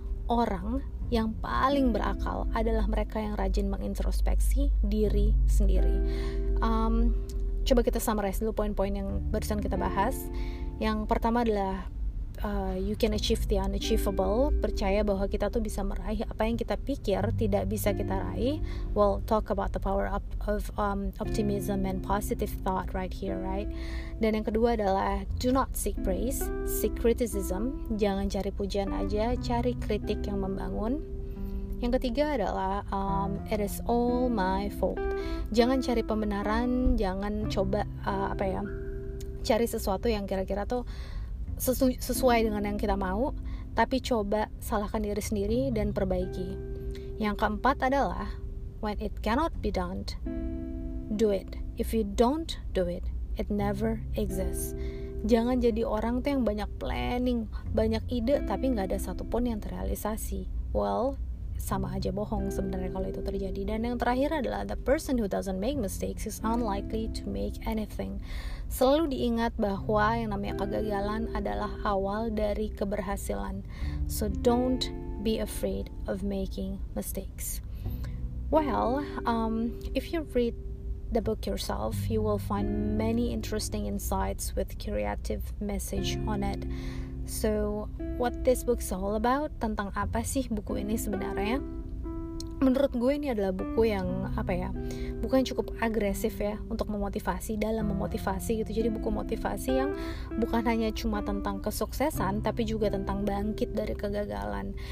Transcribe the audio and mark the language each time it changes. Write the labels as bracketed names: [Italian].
[Indonesian] Orang yang paling berakal adalah mereka yang rajin mengintrospeksi diri sendiri. Coba kita summarize dulu poin-poin yang barusan kita bahas. Yang pertama adalah [English] you can achieve the unachievable. [Indonesian] Percaya bahwa kita tuh bisa meraih apa yang kita pikir tidak bisa kita raih. [English] Well, talk about the power of optimism and positive thought right here, right? [Indonesian] Dan yang kedua adalah [English] do not seek praise, seek criticism. [Indonesian] Jangan cari pujian aja, cari kritik yang membangun. Yang ketiga adalah [English] it is all my fault. [Indonesian] Jangan cari pembenaran, jangan coba cari sesuatu yang kira-kira tuh sesuai dengan yang kita mau, tapi coba salahkan diri sendiri dan perbaiki. Yang keempat adalah [English] when it cannot be done, do it. If you don't do it, it never exists. [Indonesian] Jangan jadi orang tuh yang banyak planning, banyak ide, tapi nggak ada satupun yang terrealisasi. Well, sama aja bohong sebenarnya kalau itu terjadi. Dan yang terakhir adalah [English] the person who doesn't make mistakes is unlikely to make anything. [Indonesian] Selalu diingat bahwa yang namanya kegagalan adalah awal dari keberhasilan. [English] So don't be afraid of making mistakes. Well, if you read the book yourself, you will find many interesting insights with creative message on it. So, what this book's all about? [Indonesian] Tentang apa sih buku ini sebenarnya? Menurut gue ini adalah buku yang buku yang cukup agresif ya untuk memotivasi, dalam memotivasi gitu. Jadi buku motivasi yang bukan hanya cuma tentang kesuksesan, tapi juga tentang bangkit dari kegagalan.